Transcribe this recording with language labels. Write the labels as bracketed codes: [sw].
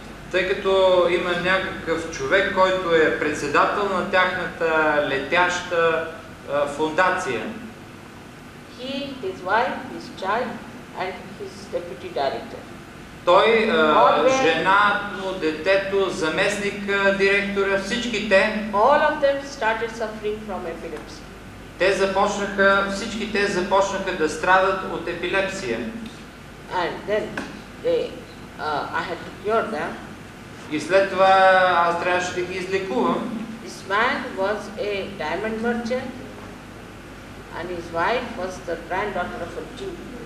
[bg] Тъй като има някакъв човек, който е председател на тяхната летяща фондация. [en] He, his wife, his child and his deputy director. [bg] Той, жена, детето, заместник директора, всичките. [en] All of them started suffering from epilepsy. [bg] Те започнаха, всички те започнаха да страдат от епилепсия. [en] And then they, I had to cure them. [bg] И след това аз трябваше да ги излекувам. [en] This man was a diamond merchant and his wife was the granddaughter of a king.